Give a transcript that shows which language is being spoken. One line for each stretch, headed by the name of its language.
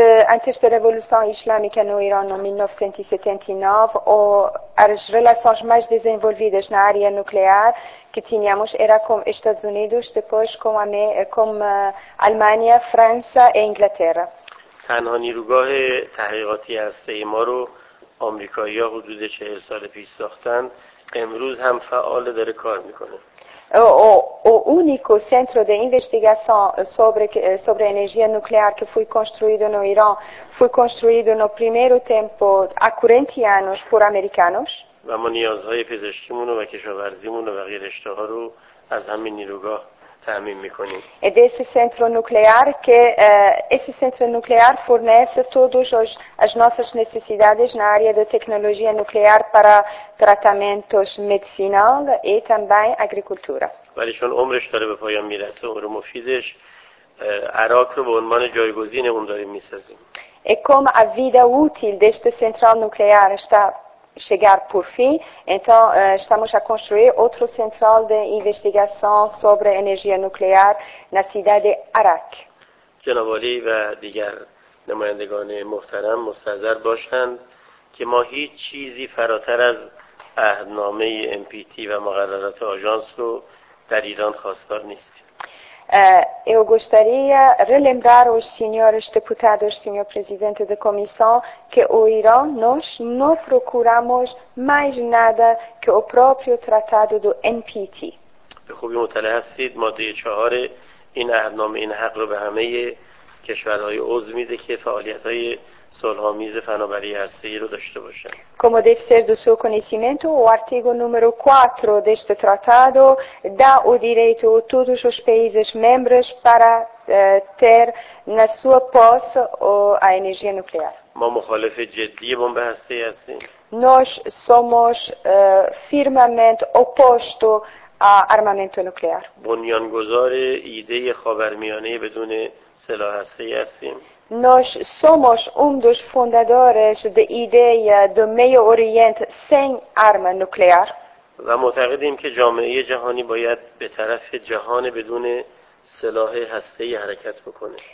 Portuguese: Antes da Revolução Islâmica no Irã, em 1979, as relações mais desenvolvidas na área nuclear que tínhamos era com os Estados Unidos, depois com a Alemanha, França e Inglaterra.
Persian: تنها نیروگاه تحقیقاتی هسته‌ای ما رو آمریکایی‌ها حدود 40 سال پیش ساختن، امروز هم فعال داره کار میکنه.
Portuguese: O único centro de investigação sobre a energia nuclear que foi construído no Irã foi construído no primeiro tempo há 40 anos por americanos.
Persian: و ما نیازهای پزشکیمون و کشاورزیمون و غیر اشتها رو از همین نیروگاه تأمین میکنیم.
Portuguese: É desse centro nuclear que esse centro nuclear fornece todas as nossas necessidades na área da tecnologia nuclear para tratamentos medicinal e também agricultura.
Persian: ولی چون عمرش داره به پایان میرسه، عمر مفیدش، عراق رو به عنوان جایگزین اون داریم میسازیم.
Portuguese: E como a vida útil deste central nuclear está chegar por fim, então estamos a construir outro central de investigação sobre energia nuclear na cidade de Arak.
Persian: جناب عالی و دیگر نمایندگان محترم مستحضر باشند که ما هیچ چیزی فراتر از عهدنامه NPT و مقررات آژانس رو در ایران خواستار نیستیم.
Portuguese: Eu gostaria de relembrar os senhores deputados, senhor presidente da comissão, que o Irã, nós não procuramos mais nada que o próprio tratado do NPT.
Persian: به خوبی مطلع هستید ماده 4 این عهدنامه این حق رو به همه کشورهای عضو میده که فعالیت‌های صلح‌آمیز فناوری هسته‌ای رو داشته باشن.
Portuguese: Como deve ser do seu conhecimento, o artigo número 4 deste tratado dá o direito a todos os países membros para ter na sua posse a energia nuclear.
Persian: ما مخالف جدی بمب هسته‌ای هستیم.
Portuguese: Nós somos firmemente opostos a armamento nuclear.
Persian: بنیانگذار ایده خاورمیانه بدون سلاح هسته‌ای هستیم.
Portuguese: Nós somos dos fundadores da ideia do Meio Oriente sem arma nuclear.
Persian: و معتقدیم که جامعه جهانی باید به طرف جهان بدون سلاح هسته‌ای حرکت بکنه.